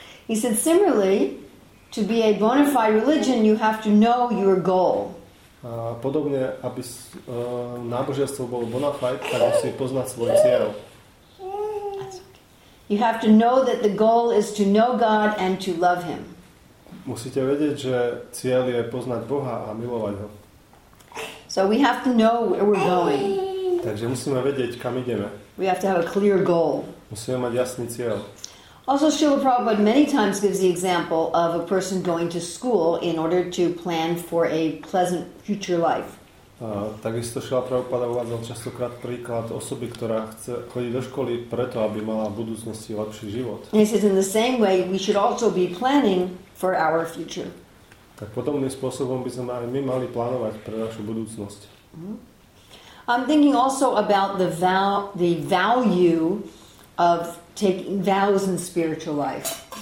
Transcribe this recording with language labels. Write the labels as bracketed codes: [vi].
[en] He said, similarly, to be a bona fide religion, you have to know your goal. [sk] A podobne, aby náboženstvo bolo bona fide, tak musí poznať svoj cieľ. [en] You have to know that the goal is to know God and to love him. [sk] Musíte vedieť, že cieľ je poznať Boha a milovať ho. [en] So we have to know where we're going. [sk] Takže musíme vedieť, kam ideme. [en] We have to have a clear goal. [sk] Musíme mať jasný cieľ. [en] Also, Srila Prabhupada many times gives the example of a person going to school in order to plan for a pleasant future life. [sk] Takisto Srila Prabhupada uvádzal častokrát príklad osoby, ktorá chce chodiť do školy preto, aby mala v budúcnosti lepší život. [en] He says, in the same way, we should also be planning for our future. [sk] Tak podobným spôsobom by sme aj my mali plánovať pre našu budúcnosť. Mm-hmm. [en] I'm thinking also about the value of taking vows in spiritual life.